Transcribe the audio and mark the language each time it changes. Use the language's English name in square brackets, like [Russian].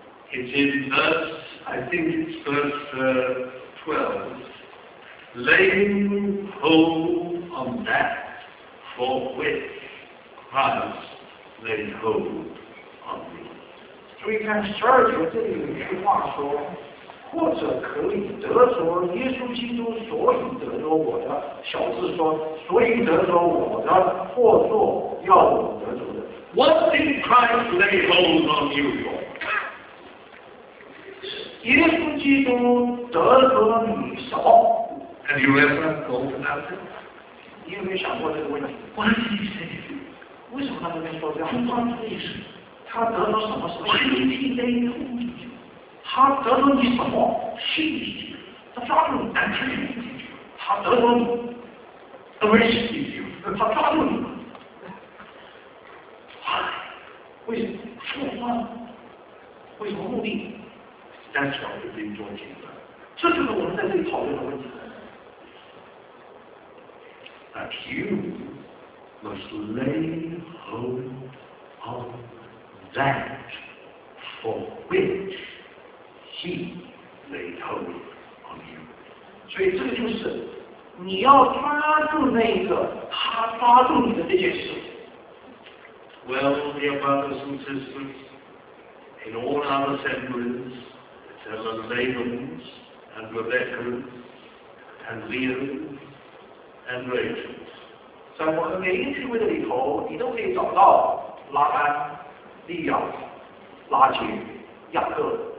[English] It's in verse, I think it's verse 12. Laying hold on that for which Christ laid hold on me. [Chinese] 注意看十二节这里有一句话说，或者可以得着耶稣基督所以得着我的。小字说，所以得着我的，或做要我得着的。 [English] What did Christ lay hold on you for? [Chinese] 耶稣基督得着你什么？ [English] Have you ever thought about it? [Chinese] 你有没有想过这个问题？ [English] What did he say? [Chinese] 为什么他那边说这样？ [English] He wants this. [Chinese] 他得着什么？ [English] Why did he lay hold on you? [Chinese] 他得着你什么？ [English] He did. [Chinese] 他抓住你。 [English] And he did. [Chinese] 他得着你。 [English] Arrested you. [Chinese] 他抓住你。 [English] Why? [Chinese] 为什么？什么？为什么目的？ [English] That's what we've been talking about. [Chinese] 这就是我们在这里讨论的问题。 [English] That you must lay hold on that for which he laid hold on you. [Chinese] 所以这个就是你要抓住那个他抓住你的这件事。 [English] Well, dear brothers and sisters, in all our assemblies,There are Laban's and Rebecca's and Leah and Rachel. [Chinese] 在我们每一句话里头，你都可以找到拉班、利亚、拉杰、雅各。